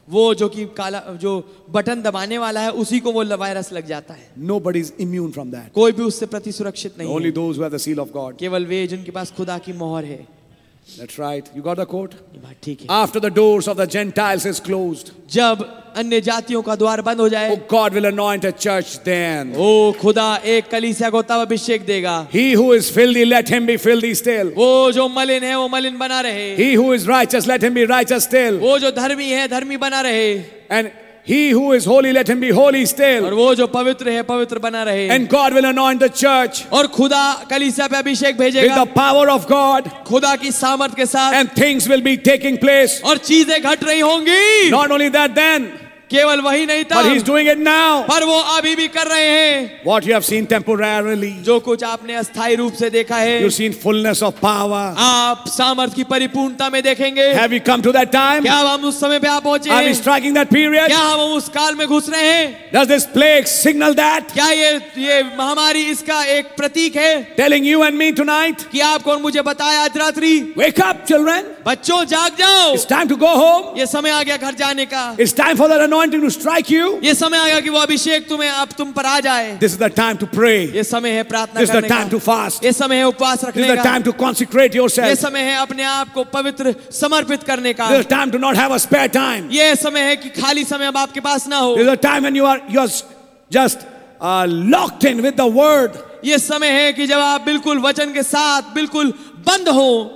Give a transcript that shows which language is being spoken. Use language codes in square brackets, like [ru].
[hi] वो जो कि काला जो बटन दबाने वाला है उसी को वो वायरस लग जाता है. [en] Nobody is immune from that. [hi] कोई भी उससे प्रति सुरक्षित नहीं. [en] Only those who have the seal of God. [hi] केवल वे जिनके पास खुदा की मोहर है. [en] That's right. You got the quote? [hi] ठीक है. [en] After the doors of the Gentiles is closed. [hi] जब अन्य जातियों का द्वार बंद हो जाए. [en] Oh, God will anoint a church then. [hi] Oh, खुदा एक कलीसिया को तब अभिषेक देगा. [en] He who is filthy, let him be filthy still. [hi] वो जो मलिन है वो मलिन बना रहे. [en] He who is righteous, let him be righteous still. [hi] वो जो धर्मी है धर्मी बना रहे. [en] And He who is holy, let him be holy still. [hi] और वो जो पवित्र है पवित्र बना रहे. [en] And God will anoint the church. [hi] और खुदा कलीसिया पे अभिषेक भेजेगा. [en] With the power of God. [hi] खुदा की सामर्थ के साथ. [en] And things will be taking place. [hi] और चीजें घट रही होंगी. [en] Not only that then. [hi] केवल वही नहीं था. [en] But he's doing it now. [hi] पर वो अभी भी कर रहे हैं. [en] What you have seen temporarily. [hi] जो कुछ आपने अस्थाई रूप से देखा है. [en] You've seen fullness of power. [hi] आप सामर्थ की परिपूर्णता में देखेंगे. [en] Have you come to that time? [hi] क्या हम उस समय पे आ पहुंचे हैं? [en] Are we striking that period? [hi] क्या हम उस काल में घुस रहे हैं? [en] Does this plague signal that? [hi] क्या ये महामारी इसका एक प्रतीक है? [en] Telling you and me tonight. [hi] कि आपको और मुझे बताया आज रात्रि. [en] Wake up children. [hi] बच्चों जाग जाओ. [en] It's time to go home. [hi] ये समय आ गया घर जाने का. [en] It's time for the anointing to strike you. [hi] ये समय आएगा कि वो अभिषेक तुम्हें अब तुम पर आ जाए. [en] This is the time to pray. [hi] ये समय है प्रार्थना करने का. [en] This is the time to fast. [hi] ये समय है उपवास रखने का. [en] This is the time to consecrate yourself. [hi] ये समय है अपने आप को पवित्र समर्पित करने का. [en] This is the time to not have a spare time. [hi] ये समय है कि खाली समय अब आपके पास ना हो. [en] This is the time when you are just locked in with the word. [hi] ये समय है कि जब आप बिल्कुल वचन के साथ बिल्कुल बंद हो.